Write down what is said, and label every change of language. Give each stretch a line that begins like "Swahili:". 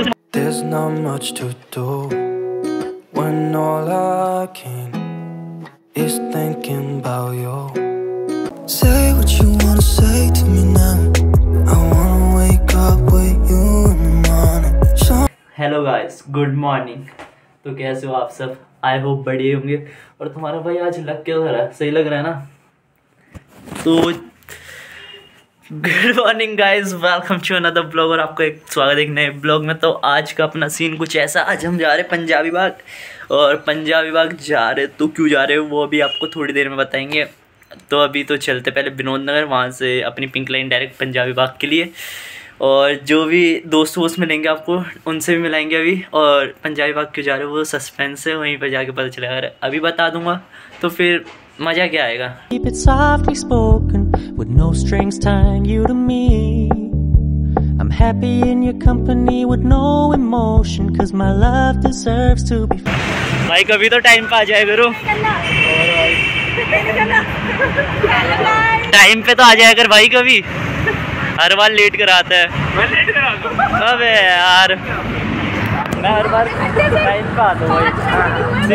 English: There's not much to do when all I can is thinking about you. Say what you wanna say to me now. I wanna wake up with you in the morning. Hello guys, good morning.
Hindi: तो कैसे हो आप सब?
English: I hope
Hindi: बढ़िया होंगे. और तुम्हारा भाई आज लग क्या रहा है? सही लग रहा है ना?
English: तो good morning guys, welcome to another blog.
Hindi: और आपको एक स्वागत है एक नए ब्लॉग में. तो आज का अपना सीन कुछ ऐसा, आज हम जा रहे हैं पंजाबी बाग. और पंजाबी बाग जा रहे तो क्यों जा रहे वो अभी आपको थोड़ी देर में बताएंगे. तो अभी तो चलते पहले विनोद नगर, वहाँ से अपनी पिंक लाइन डायरेक्ट पंजाबी बाग के लिए. और जो भी दोस्त वोस्त मिलेंगे आपको उनसे भी मिलाएंगे अभी. और पंजाबी बाग क्यों जा रहे हो वो सस्पेंस है, वहीं पर जाके पता चलेगा. अगर अभी बता दूंगा तो फिर मजा क्या आएगा.
English: Keep it softly spoken, with no strings tying you to me. I'm happy in your company with no emotion, cause my love deserves to be.
Hindi: भाई कभी तो टाइम पे आ जाए करो. टाइम पे तो आ जाए कर भाई, कभी हर बार लेट कराता है. अबे यार मैं हर बार टाइम पे आता हूं भाई.